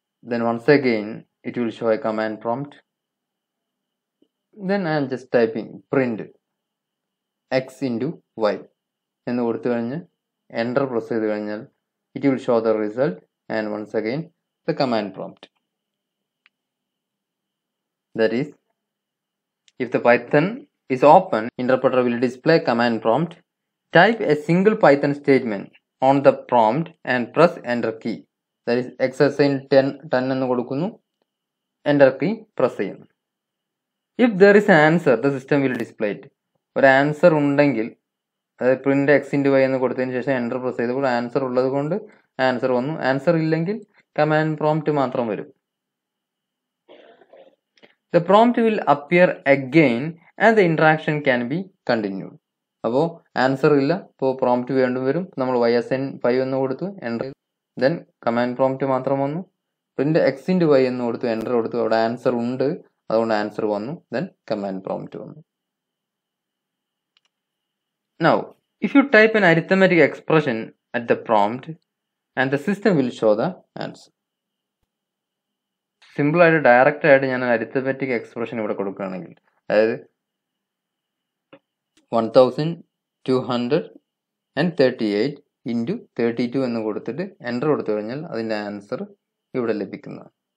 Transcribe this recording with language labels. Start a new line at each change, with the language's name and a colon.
English: Then once again it will show a command prompt. Then I am just typing print X into Y എന്ന് കൊടുത്തു കഴിഞ്ഞ് enter press ചെയ്ത് കഴിഞ്ഞാൽ it will show the result and once again the command prompt. That is if the Python is open interpreter will display command prompt. Type a single Python statement on the prompt and press enter key. That is exercise 10 എന്ന് കൊടുക്കുന്നു. Enter key press ചെയ്യുന്നു. If there is an answer, the system will display it.
Malayalam: ഒരു answer ഉണ്ടെങ്കിൽ, അതായത് print X into Y എന്ന് കൊടുത്തതിന് ശേഷം enter press ചെയ്തപ്പോൾ ആൻസർ ഉള്ളത് കൊണ്ട് ആൻസർ വന്നു. ആൻസർ ഇല്ലെങ്കിൽ കമാൻഡ് പ്രോംപ്റ്റ് മാത്രം വരും.
English: The prompt will appear again and the interaction can be continued.
Malayalam: അപ്പോൾ ആൻസർ ഇല്ല, ഇപ്പോൾ പ്രോംപ്റ്റ് വീണ്ടും വരും. നമ്മൾ വൈ എസ് എൻ ഫൈവ് എന്ന് കൊടുത്തു, എൻ്റർ. ദെൻ കമാൻഡ് പ്രോംപ്റ്റ് മാത്രം വന്നു. പ്രിന്റ് എക്സ് ഇൻറ്റു വൈ എന്ന് കൊടുത്തു, എൻ്റർ കൊടുത്തു. അവിടെ ആൻസർ ഉണ്ട്, അതുകൊണ്ട് ആൻസർ വന്നു. ദെൻ കമാൻഡ് പ്രോംപ്റ്റ് വന്നു.
English: Now, if you type an arithmetic expression at the prompt, and the system will show the answer.
Malayalam: Simple ആയിട്ട് ഡയറക്റ്റ് ആയിട്ട് ഞാൻ അരിത്തമെറ്റിക് എക്സ്പ്രഷൻ ഇവിടെ കൊടുക്കുകയാണെങ്കിൽ, അതായത് 1238 × 32 എന്ന് കൊടുത്തിട്ട് എൻ്റർ കൊടുത്തു കഴിഞ്ഞാൽ അതിൻ്റെ ആൻസർ ഇവിടെ ലഭിക്കുന്നതാണ്.